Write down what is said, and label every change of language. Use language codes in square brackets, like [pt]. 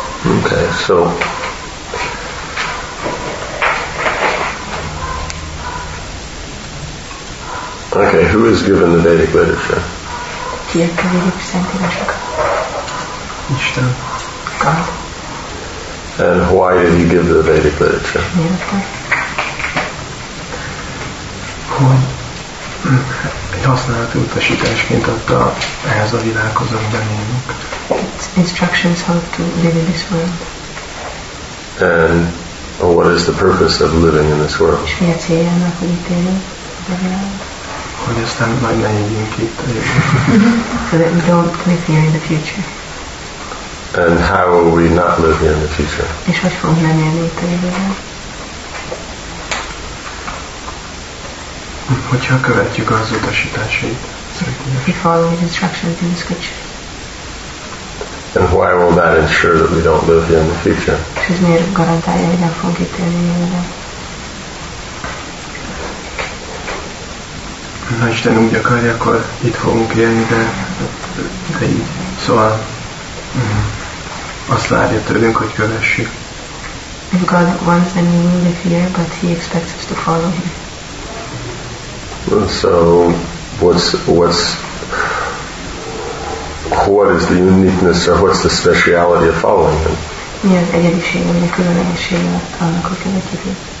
[en] Okay, so okay, who is given the Vedic literature? [hu] Ki adta a Vedic szentírásokat? Isten. [en] God. And why did he give the Vedic literature? [hu] Egy használati utasításként adta ehhez a világhoz, amiben élünk. [en] It's instructions how to live in this world. And what is the purpose of living in this world? [hu] És mi a célja annak, hogy itt élünk? Hogy aztán majd ne éljünk itt. [en] So that we don't live here in the future. And how will we not live here in the future? [hu] És hogy fogunk nem élni itt a jövőben? Hogyha követjük az utasításait. [en] If we follow his instructions in the scripture. And why will that ensure that we don't live here in the future? [hu] És miért garantálja, hogy nem fogjuk itt élni jövőben? Ha Isten úgy akarja, akkor itt fogunk élni, de így. Szóval azt várja tőlünk, hogy kövessük. [en] If God wants, then we will live here, but he expects us to follow him. So, what is the uniqueness or what's the speciality of following him? [hu] Mi az egyedisége, mi a különlegessége annak, hogy követjük őt?